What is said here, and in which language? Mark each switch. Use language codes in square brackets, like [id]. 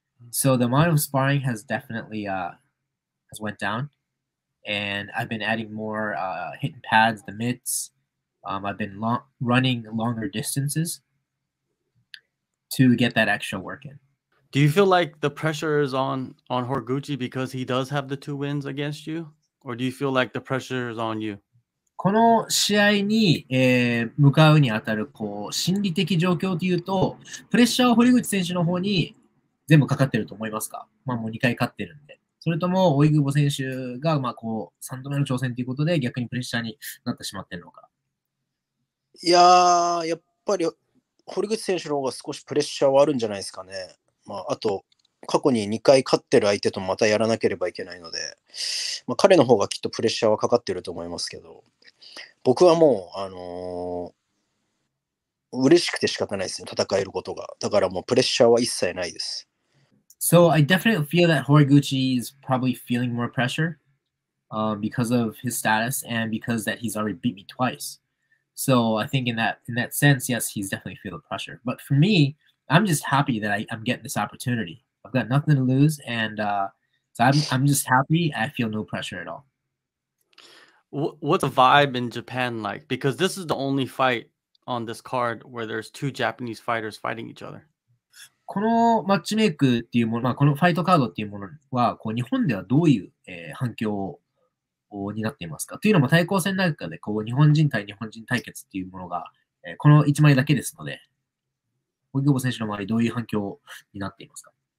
[en] So the amount of sparring has definitely has went down, and I've been adding more hitting pads, the mitts. I've been running longer distances to get that extra work in. Do you feel like the pressure is on Horiguchi because he does have the 2 wins against you, or do you feel like the pressure is on you? [ja] この試合に、向かうにあたるこう心理的状況というと、プレッシャーは堀口選手の方に全部かかってると思いますか？もう2回勝ってるんで。それとも扇久保選手がまあこう3度目の挑戦ということで逆にプレッシャーになってしまっているのか。いやーやっぱり堀口選手の方が少しプレッシャーはあるんじゃないですかね、まあ、あと過去に2回勝ってる相手とまたやらなければいけないので、まあ、彼の方がきっとプレッシャーはかかってると思いますけど、僕はもう嬉しくて仕方ないですね、戦えることが。だからもうプレッシャーは一切ないです。 [en] So I definitely feel that Horiguchi is probably feeling more pressure, because of his status and because that he's already beat me twice. So I think in that sense, yes, he's definitely feeling pressure. But for me, I'm just happy that I'm getting this opportunity. I've got nothing to lose, and so I'm just happy. I feel no pressure at all. What's the vibe in Japan like? Because this is the only fight on this card where there's two Japanese fighters fighting each other. [ja] このマッチメイクっていうもの、まあ、このファイトカードっていうものは、こう日本ではどういう、反響をになっていますかというのも、対抗戦なんかでこう日本人対日本人対決っていうものが、この1枚だけですので、扇久保選手の周りどういう反響になっていますか。